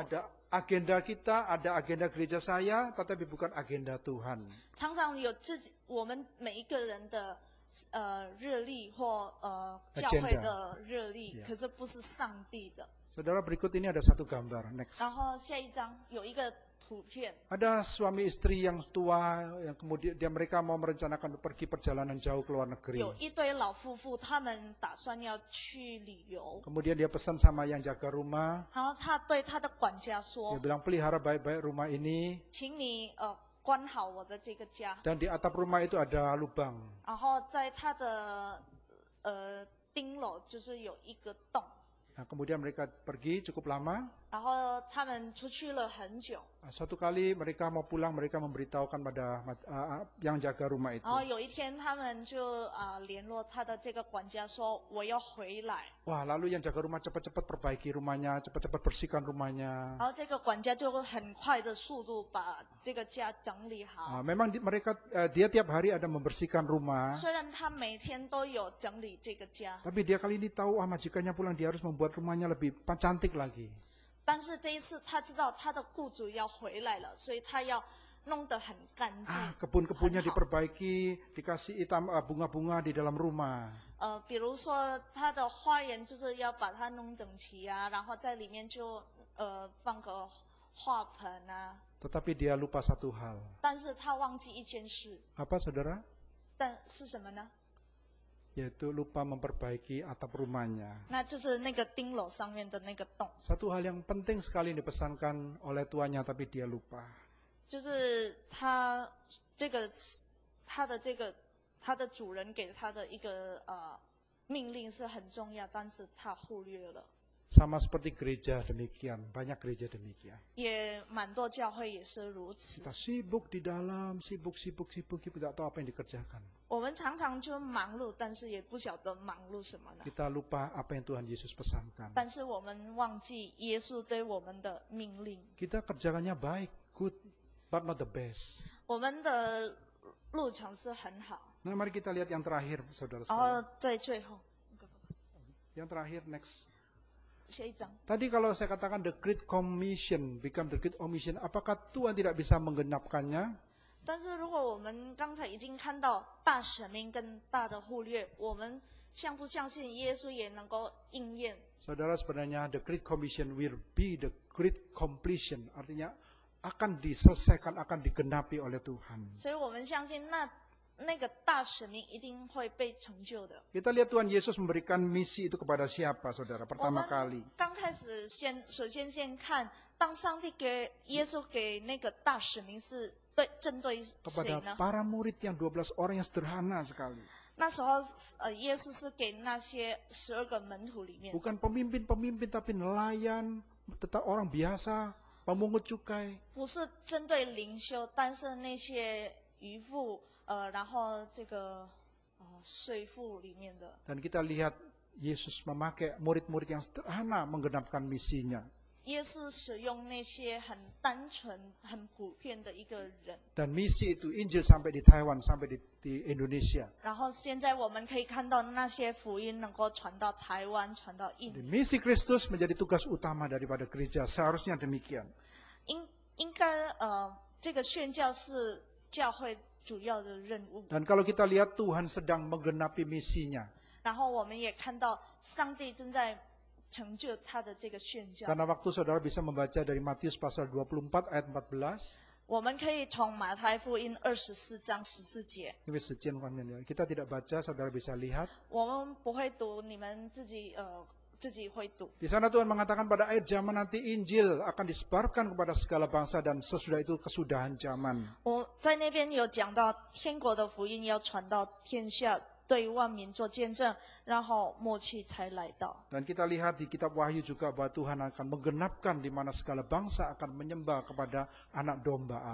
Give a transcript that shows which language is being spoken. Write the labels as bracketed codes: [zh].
[id] Ada agenda kita, ada agenda gereja saya, tetapi bukan agenda Tuhan. [zh] 常常有自己我们每一个人的热力或教会的热力、 [id] agenda. [zh] 可是不是上帝的。 [id] Saudara berikut ini ada satu gambar next. [zh] 然后下一张有一个图片。 [id] Ada suami istri yang tua yang kemudian dia mereka mau merencanakan pergi perjalanan jauh ke luar negeri. [zh] 有一对老夫妇他们打算要去旅游。 [id] Kemudian dia pesan sama yang jaga rumah. [zh] 然后他对他的管家说。 [id] Dia bilang pelihara baik-baik rumah ini. [zh] 请你关好我的这个家。 [id] Dan di atap rumah itu ada lubang. [zh] 然后在他的顶楼就是有一个洞。 [id] Nah, kemudian mereka pergi cukup lama. [zh] 然后他们出去了很久。 [id] Suatu kali mereka mau pulang, mereka memberitahukan pada yang jaga rumah itu. [zh] 然后有一天他们就联络他的这个管家说我要回来。 [id] Wah, lalu yang jaga rumah cepat-cepat perbaiki rumahnya, cepat-cepat bersihkan rumahnya. [zh] 然后这个管家就很快的速度把这个家整理好。 [id] Memang mereka dia tiap hari ada membersihkan rumah. [zh] 虽然他每天都有整理这个家。 [id] Tapi dia kali ini tahu majikannya pulang, dia harus membuat rumahnya lebih cantik lagi. [zh] 但是这一次他知道他的雇主要回来了，所以他要弄得很干净。 [id] Kebun-kebunnya diperbaiki, dikasih hitam bunga-bunga di dalam rumah. [zh] 比如说他的花园就是要把它弄整齐啊，然后在里面就放个花盆啊。 [id] Tetapi dia lupa satu hal. [zh] 但是他忘记一件事。 [id] Apa, saudara? [zh] 但是什么呢？ [id] Yaitu lupa memperbaiki atap rumahnya. [zh] 那就是那个顶楼上面的那个洞。 [id] Satu hal yang penting sekali dipesankan oleh tuanya, tapi dia lupa. [zh] 就是他这个他的这个他的主人给他的一个命令是很重要，但是他忽略了。 [id] Sama seperti gereja demikian, banyak gereja demikian. [zh] 也蛮多教会也是如此。 [id] Kita sibuk di dalam, sibuk, kita tidak tahu apa yang dikerjakan. [zh] 我们常常就忙碌，但是也不晓得忙碌什么呢。 [id] Kita lupa apa yang Tuhan Yesus pesankan. [zh] 但是我们忘记耶稣对我们的命令。 [id] Kita kerjakannya baik, [en] good, but not the best. [zh] 我们的路程是很好。 [id] Nah, mari kita lihat yang terakhir, saudara-saudara. Yang terakhir, next. [zh] 下一章. [id] Tadi kalau saya katakan [en] the great commission become the great omission, [id] apakah Tuhan tidak bisa menggenapkannya? [zh] 但是如果我们刚才已经看到大使命跟大的忽略，我们相不相信耶稣也能够应验？ [id] Saudara, sebenarnya [en] the great commission will be the great completion, [id] artinya akan diselesaikan, akan digenapi oleh Tuhan. [zh] 所以我们相信那个大使命一定会被成就的。 [id] Kita lihat Tuhan Yesus memberikan misi itu kepada siapa, saudara? Pertama kali. [zh] 我们刚开始首先看，当上帝给耶稣给那个大使命是对针对谁呢？ [id] Kepada para murid yang 12 orang yang sederhana sekali. [zh] 那时候，耶稣是给那些十二个门徒里面。 [id] Bukan pemimpin-pemimpin, tapi nelayan, tetap orang biasa, pemungut cukai. [zh] 不是针对领袖，但是那些渔夫。然后这个税负里面的。 [id] Dan kita lihat Yesus memakai murid-murid yang sederhana menggenapkan misinya. [zh] Yesus 使用那些很单纯、很普遍的一个人。 [id] Dan misi itu Injil sampai di Taiwan, sampai di Indonesia. [zh] 然后现在我们可以看到那些福音能够传到台湾、传到印尼。 [id] Misi Kristus menjadi tugas utama daripada gereja, seharusnya demikian. [zh] 应该这个宣教是教会。主要的任务。 [id] Dan kalau kita lihat Tuhan sedang menggenapi misinya. [zh] 然后我们也看到上帝正在成就他的这个宣教。 [id] Karena waktu saudara bisa membaca dari Matius pasal 24 ayat 14. [zh] 我们可以从马太福音24章14节。因为时间方面， [id] kita tidak baca, saudara bisa lihat. [zh] 我们不会读，你们自己会读。 [id] Di sana Tuhan mengatakan pada akhir zaman nanti Injil akan disebarkan kepada segala bangsa dan sesudah itu kesudahan zaman. [zh] 我在那边有讲到天国的福音要传到天下，对万民做见证，然后末期才来到。 [id] Dan kita lihat di kitab Wahyu juga bahwa Tuhan akan menggenapkan di mana segala bangsa akan menyembah kepada anak domba Allah.